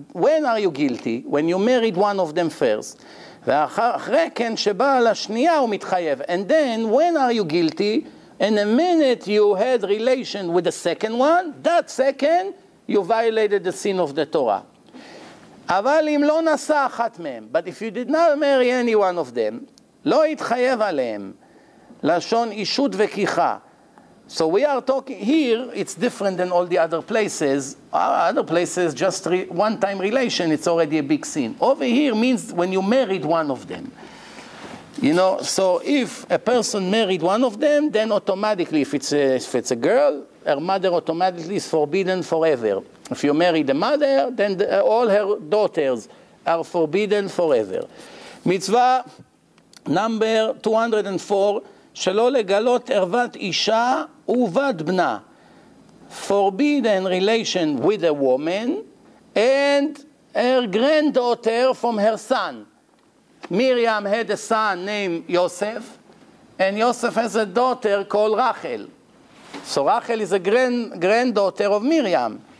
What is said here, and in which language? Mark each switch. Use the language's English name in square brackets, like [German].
[English] When are you guilty? When you married one of them first, [Hebrew] ve'achreken sheba lashniya umitchayev. [English] And then, when are you guilty? In a minute you had relation with the second one, that second you violated the sin of the Torah. [Hebrew] אבל אם לא נשא אחת מהם, [English] but if you did not marry any one of them, [Hebrew] לא התחייב עליהם, לשון אישות וכיחה. [English] So we are talking, here it's different than all the other places. Other places, just one time relation, it's already a big sin. Over here means when you married one of them. You know, so if a person married one of them, then automatically, if it's a girl, her mother automatically is forbidden forever. If you marry the mother, then all her daughters are forbidden forever. Mitzvah number 204, [Hebrew] שלא לגלות ערוות אישה ובת בנה. [English] Forbidden relation with a woman and her granddaughter from her son. Miriam had a son named Yosef, and Yosef has a daughter called Rachel. So Rachel is a granddaughter of Miriam.